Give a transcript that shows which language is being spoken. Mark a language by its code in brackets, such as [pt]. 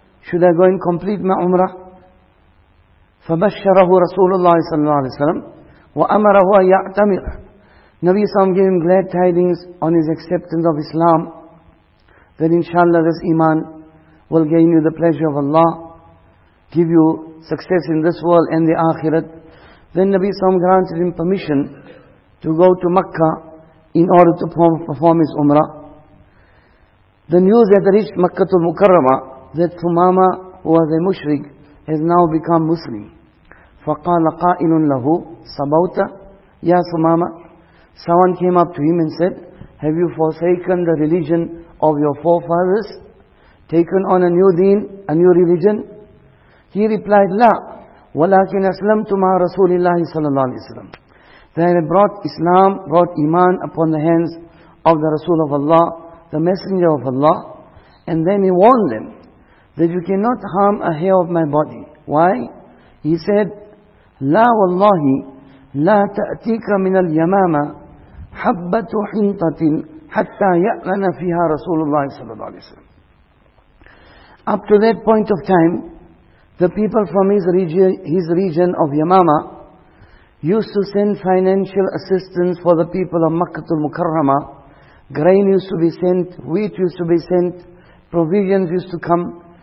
[en] Should I go and complete my Umrah? [ar] فبشره رسول الله صلى الله عليه وسلم وأمره أن يعتمر. [en] Nabi Sallam gave him glad tidings on his acceptance of Islam, that inshallah this iman will gain you the pleasure of Allah, give you success in this world and the akhirat. Then Nabi Sallam granted him permission to go to Makkah in order to perform his Umrah. The news had reached Makkah al-Mukarramah that Thumama, who was a mushrik, has now become Muslim. [ar] فَقَالَ قَائِلٌ لَهُ سَبَوْتَ يَا ثُمَامَ. [en] Someone came up to him and said, have you forsaken the religion of your forefathers, taken on a new deen, a new religion? He replied, [ar] لا ولكن أسلمت مع رسول الله صلى الله عليه وسلم. [en] They had brought Islam, brought Iman upon the hands of the Rasul of Allah, the Messenger of Allah. And then he warned them that you cannot harm a hair of my body. Why? He said, [ar] لا والله لا تأتيك من اليمامة حبة حنطة حتى يأذن فيها رسول الله صلى الله عليه وسلم. [en] Up to that point of time, the people from his region of Yamama used to send financial assistance for the people of Makkah al-Mukarrama. Grain used to be sent, wheat used to be sent, provisions used to come.